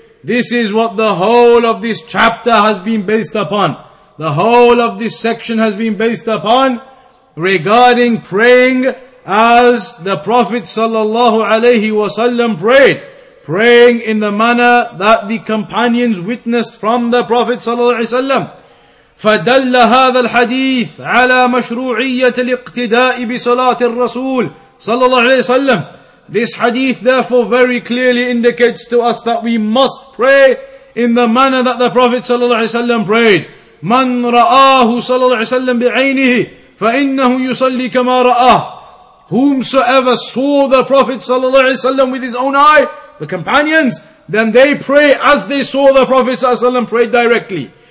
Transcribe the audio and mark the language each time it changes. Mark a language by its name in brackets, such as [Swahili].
[English] This is what the whole of this chapter has been based upon. The whole of this section has been based upon regarding praying as the Prophet sallallahu alayhi wa sallam prayed, praying in the manner that the companions witnessed from the Prophet sallallahu alayhi wa sallam. [Arabic] فدل هذا الحديث على مشروعية الاقتداء بصلاة الرسول صلى الله عليه وسلم. [English] This hadith therefore very clearly indicates to us that we must pray in the manner that the Prophet صلى الله عليه وسلم prayed. [Arabic] من رآه صلى الله عليه وسلم بعينه فإنه يصلي كما رآه. [English] Whomsoever saw the Prophet صلى الله عليه وسلم with his own eye, the companions, then they pray as they saw the Prophet صلى الله عليه وسلم prayed directly.